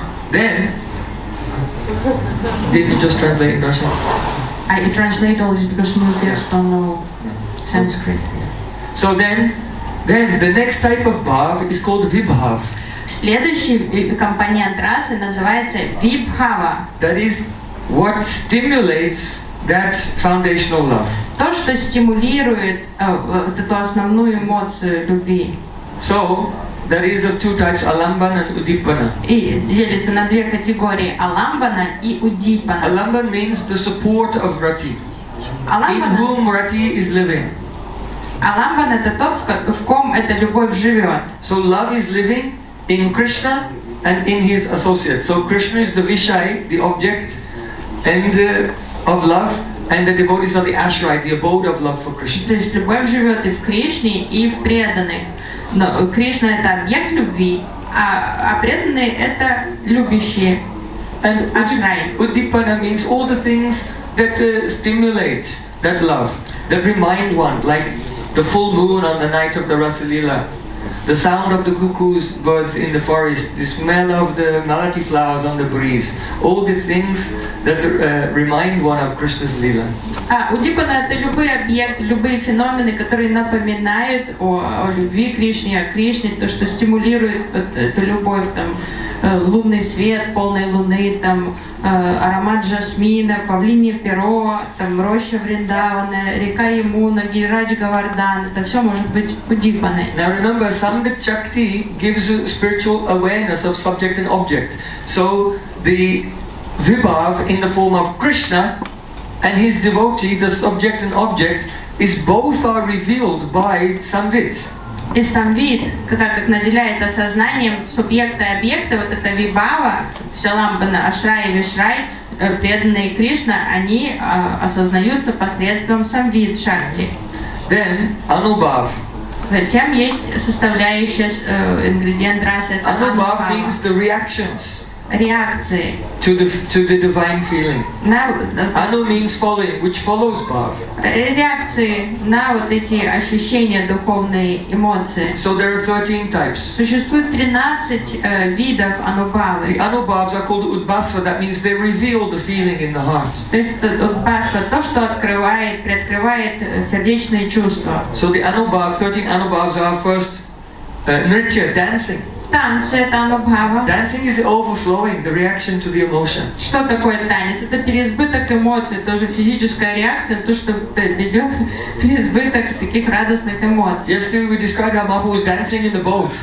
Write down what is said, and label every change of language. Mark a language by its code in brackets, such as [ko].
[en] Then, did you just translate in Russian? I translate all this because most of us don't know Sanskrit. So then the next type of bhav is called vibhav. [ru] Следующий компонент расы называется vibhava. [en] That is what stimulates that foundational love. [ru] То, что стимулирует эту основную эмоцию любви. [en] So there is of two types, alambana and udipana. [ru] И делится на две категории: alambana и udipana. [en] Alambana means the support of rati. Alambana. In whom rati is living. [ru] Alambana это тот, в ком эта любовь живет. [en] So love is living in Krishna and in his associates. So Krishna is the vishay, the object, and of love. And the devotees are the ashray, the abode of love for Krishna. [ru] То есть любовь живет и в Кришне, и в преданных. Но Кришна это объект любви, а преданные это любящие. [en] And ashray. Udipana means all the things that stimulate that love, that remind one, like the full moon on the night of the Rasa Lila, the sound of the cuckoo's birds in the forest, the smell of the malati flowers on the breeze, all the things that remind one of Krishna's lila. [ru] Udipana – это любые объекты, любые феномены, которые напоминают о любви Кришне, о Кришне, то, что стимулирует эту любовь, там, лунный свет, полной луны, там, аромат жасмина, павлинье перо, там, роща Вриндавана, река Ямуна, Гирадж Гавардан – это все может быть удипаны. [en] Now remember, Sambit Shakti gives spiritual awareness of subject and object. So the vibhav in the form of Krishna and his devotee, the subject and object, is both are revealed by Samvit. [ru] И Самвит, так как наделяет осознанием субъекта и объекта, вот это вибава, шаламбана, ашрай и вишрай, преданные Кришна, они осознаются посредством Самвит Шакти. [en] Then anubhav. [ru] Затем есть составляющая, ингредиент расы, это [en] anubhav means the reactions. [ru] Реакции. [en] To the divine feeling. Anu means following, which follows bhav. [ru] Реакции на вот эти ощущения, духовные эмоции. [en] So there are 13 types. [ru] Существует 13 видов анубавы. [en] The anubhavs are called udbhasva, that means they reveal the feeling in the heart. [ru] То есть удбасва, то, что открывает, приоткрывает сердечные чувства. [en] So the anubhav, 13 anubhavs are first nritya, dancing. [ru] Танцы, это анубхава. [en] Dancing is overflowing, the reaction to the emotion. [ru] Что такое танец? Это переизбыток эмоций, тоже физическая реакция, то, что ведет переизбыток таких радостных эмоций. [en] Yesterday we described how Mahaprabhu was dancing in the boat.